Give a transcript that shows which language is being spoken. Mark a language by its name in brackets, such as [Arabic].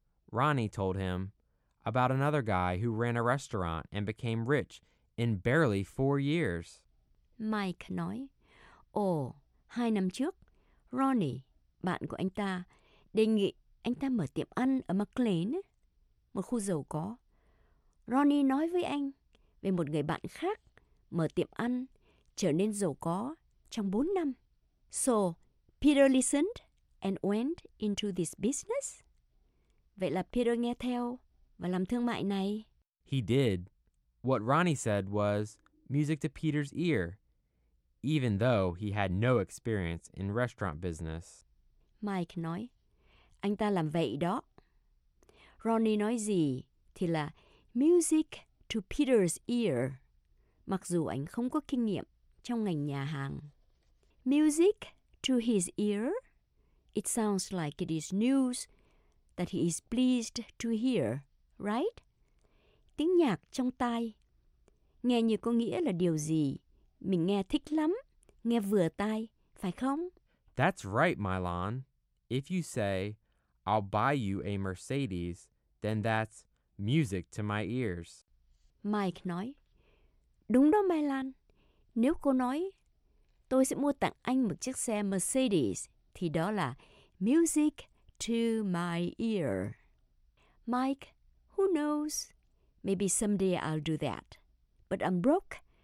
[English] Ronnie told him about another guy who ran a restaurant and became rich in barely 4 years. [Vietnamese] Mike nói, Ồ, 2 năm trước, Ronnie, bạn của anh ta, đề nghị anh ta mở tiệm ăn ở McLean, một khu giàu có. Ronnie nói với anh về một người bạn khác mở tiệm ăn, trở nên giàu có trong 4 năm. [English] So, Peter listened and went into this business? [Vietnamese] Vậy là Peter nghe theo và làm thương mại này. [English] He did. What Ronnie said was music to Peter's ear, even though he had no experience in restaurant business. [Vietnamese] Mike nói, anh ta làm vậy đó. Ronnie nói gì thì là [English] music to Peter's ear, [Vietnamese] mặc dù anh không có kinh nghiệm trong ngành nhà hàng. [English] Music to his ear? It sounds like it is news that he is pleased to hear, right? [Vietnamese] Tiếng nhạc trong tai. Nghe như có nghĩa là điều gì. Mình nghe thích lắm, nghe vừa tai, phải không? [English] That's right, Milan. If you say, I'll buy you a Mercedes, then that's music to my ears. [Vietnamese] Mike nói, đúng đó, Milan. Nếu cô nói, tôi sẽ mua tặng anh một chiếc xe Mercedes, thì đó là [English] music to my ear. Mike, who knows? Maybe someday I'll do that. But I'm broke.